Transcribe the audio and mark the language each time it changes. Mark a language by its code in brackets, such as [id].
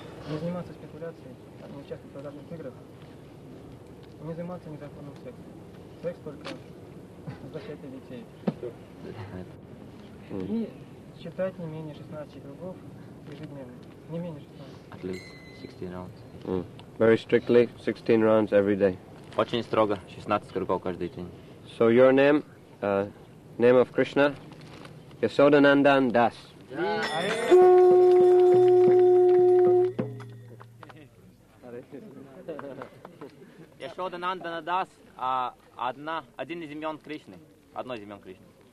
[ru] Не заниматься спекуляцией, не участвовать в азартных играх. Не заниматься незаконным сексом. Секс только защитить детей. И читать не менее 16 кругов ежедневно. Не менее 16. [en] At least 16 rounds. Very strictly, 16 rounds every day. [ru] Очень строго, 16 кругов каждый день. [en] So your name, name of Krishna, Yasodhanandan Das. [ru] Yasodhanandan Das, один из имен Кришны, одно из имен Кришны.